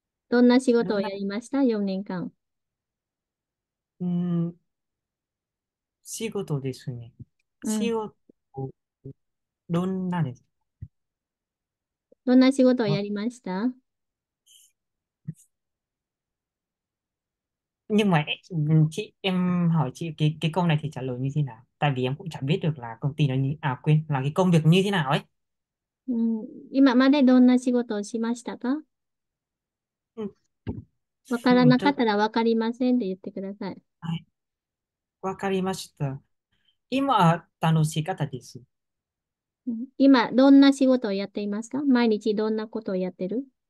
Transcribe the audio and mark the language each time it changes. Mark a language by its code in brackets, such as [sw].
[ja] どんな仕事をやりました？ 4 年間。仕事ですね。うん。仕事、どんなですどんな仕事をやりました？ [vi] Nhưng mà chị em hỏi chị cái câu này thì trả lời như thế nào? Tại vì em cũng chẳng biết được là công ty nó như, à quên, là cái công việc như thế nào ấy. [ja] うん、今までどんな仕事をしましたか？わからなかったらわかりませんって言ってください。わかりました。今は楽しかったです。今どんな仕事をやっていますか？毎日どんなことをやってる？